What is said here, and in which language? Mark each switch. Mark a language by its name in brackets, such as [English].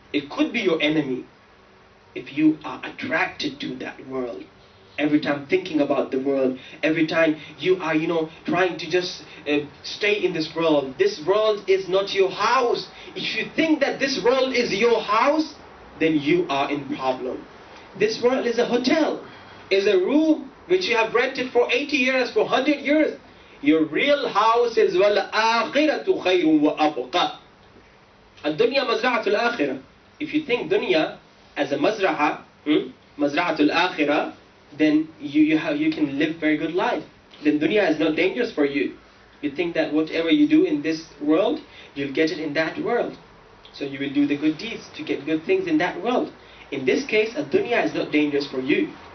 [English] It could be your enemy. If you are attracted to that world, every time thinking about the world, every time you are, you know, trying to just stay in this world is not your house. If you think that this world is your house, then you are in problem. This world is a hotel, is a room which you have rented for 80 years, for 100 years. Your real house is [Arabic] وَالْآخِرَةُ خَيْرٌ وَأَبْقَى الدُّنْيَا مَزْرَعَةُ الْآخِرَةِ. [English] If you think dunya as a mazraha, [Arabic] mazra'atul akhirah, [English] then you can live very good life. Then dunya is not dangerous for you. You think that whatever you do in this world, you'll get it in that world. So you will do the good deeds to get good things in that world. In this case, a dunya is not dangerous for you.